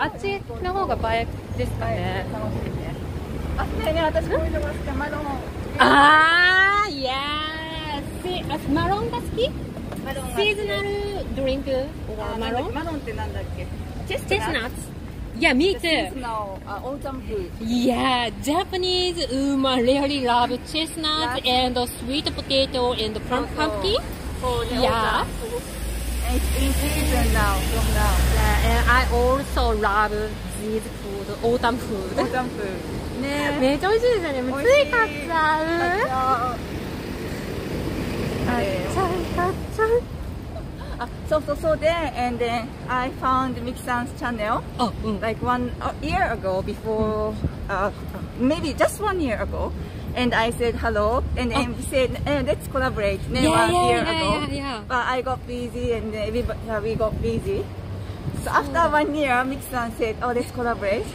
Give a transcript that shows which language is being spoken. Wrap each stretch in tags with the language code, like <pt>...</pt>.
<ja>あっちの方が映えですかね。あ、ね、私こういうのが好き、マロン。あー、イエーイ。マロンが好き？マロンが好き。</ja> <en>シーズナルドリンク？マロン？</en> <ja>マロンってなんだっけ？</ja> <en>チェスナッツ。Yeah, me too. The seasonal autumn food. Yeah, Japanese women really love chestnuts and sweet potato and pumpkin. Yeah. It's in season now, from now. Yeah, and I also love these food, autumn food. Autumn food.</en> <ja>めっちゃ美味しいですよね。もうつい買っちゃう。買っちゃう、買っちゃう。あ、そうそうそうで、</ja> <en>and then I found Miki-san's channel、like one year ago before、maybe just one year ago and I said hello and then we said、let's collaborate then one year ago. But I got busy and we got busySo after one year, Miki-san said, oh, let's collaborate.</en>